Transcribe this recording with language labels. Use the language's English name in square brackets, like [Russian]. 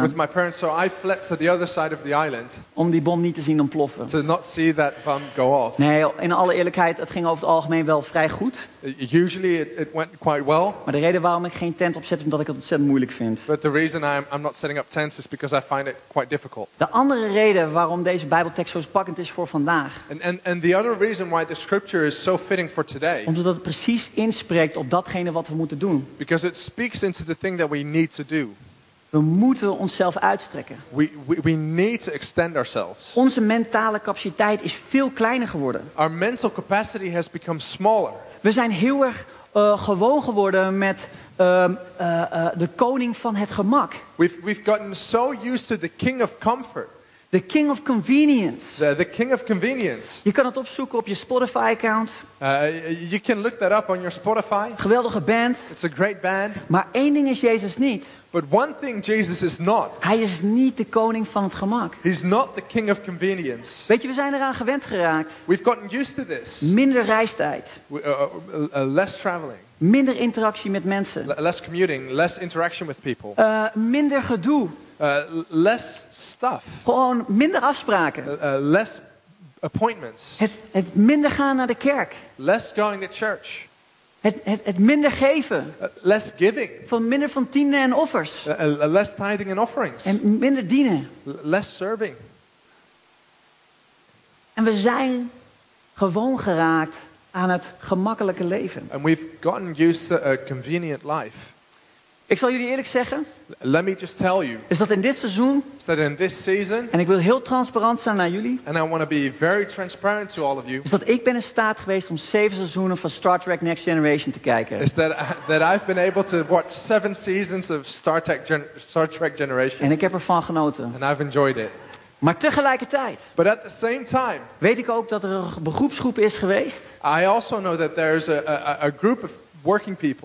[English] With my parents, so I fled to the other side of the island. [Dutch] Om die bom niet te zien ontploffen. [English] To not see that bomb go off. [Dutch] Nee, in alle eerlijkheid, het ging over het algemeen wel vrij goed. [English] Usually it went quite well. [Dutch] Maar de reden waarom ik geen tent opzet, omdat ik het ontzettend moeilijk vind. [English] But the reason I'm not setting up tents is because I find it quite difficult. [Dutch] De andere reden waarom deze Bijbeltekst zo pakkend is voor vandaag. [English] And the other reason why the scripture is so fitting for today. [Dutch] Omdat het precies inspreekt op datgene wat we moeten doen. [English] Because it speaks into the thing that we need to do. [Dutch] We moeten onszelf uitstrekken. [English] We need to extend ourselves. [Dutch] Onze mentale capaciteit is veel kleiner geworden. [English] Our mental capacity has become smaller. [Dutch] We zijn heel erg gewoon geworden met de koning van het gemak. [English] We've gotten so used to the king of comfort. The king of convenience. The king of convenience. [Dutch] Je kan het opzoeken op je Spotify account. [English] You can look that up on your Spotify. [Dutch] Geweldige band. [English] It's a great band. [Dutch] Maar één ding is Jezus niet. [English] But one thing Jesus is not. [Dutch] Hij is niet de koning van het gemak. [English] He's not the king of convenience. [Dutch] Weet je, we zijn eraan gewend geraakt. [English] We've gotten used to this. [Dutch] Minder reistijd. [English] Less traveling. [Dutch] Minder interactie met mensen. [English] Less commuting, less interaction with people. [Dutch] Minder gedoe. [English] Less stuff. [Dutch] Gewoon minder afspraken. [English] Less appointments. [Dutch] Het minder gaan naar de kerk. [English] Less going to church. [Dutch] Het minder geven. [English] Less giving. [Dutch] Van minder van tienden en offers. [English] Less tithing and offerings. [Dutch] En minder dienen. [English] Less serving. [Dutch] En we zijn gewoon geraakt aan het gemakkelijke leven. [English] And we've gotten used to a convenient life. [Dutch] Ik zal jullie eerlijk zeggen. [English] Let me just tell you. [Dutch] Is dat in dit seizoen? [English] Is that in this season? [Dutch] En ik wil heel transparant zijn naar jullie. [English] And I want to be very transparent to all of you. [Dutch] Is dat ik ben in staat geweest om 7 seizoenen van Star Trek Next Generation te kijken? [English] Is that I've been able to watch 7 seasons of Star Trek Generation? [Dutch] En ik heb ervan genoten. [English] And I've enjoyed it. [Dutch] Maar tegelijkertijd. [English] But at the same time. [Dutch] Weet ik ook dat er een beroepsgroep is geweest? [English] I also know that there's a group of working people.